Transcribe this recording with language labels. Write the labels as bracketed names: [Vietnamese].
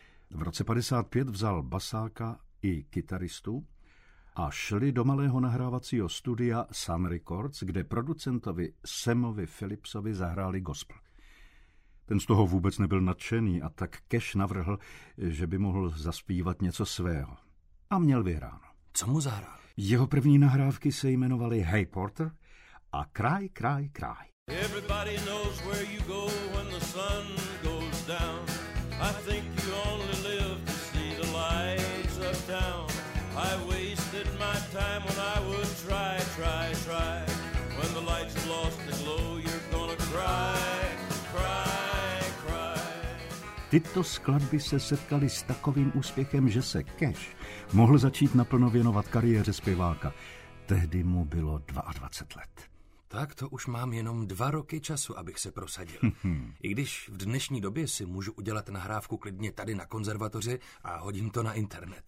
[Czech] V roce 55 vzal basáka i kytaristu a šli do malého nahrávacího studia Sun Records, kde producentovi Samovi Phillipsovi zahráli gospel. Ten z toho vůbec nebyl nadšený a tak Cash navrhl, že by mohl zaspívat něco svého. A měl vyhráno. Co mu zahrál? Jeho první nahrávky se jmenovaly Hey Porter a Cry, Cry, Cry. [English] Everybody knows where you go when the sun goes down. I think you only live to see the lights of town. I wasted my time when I would try, try, try. When the lights have lost the glow, you're gonna cry, cry, cry. [Czech] Tyto skladby se setkaly s takovým úspěchem, že se Cash mohl začít naplno věnovat kariéře zpěváka. Tehdy mu bylo 22 let. Tak to už mám jenom 2 roky času, abych se prosadil. I když v dnešní době si můžu udělat nahrávku klidně tady na konzervatoři a hodím to na internet.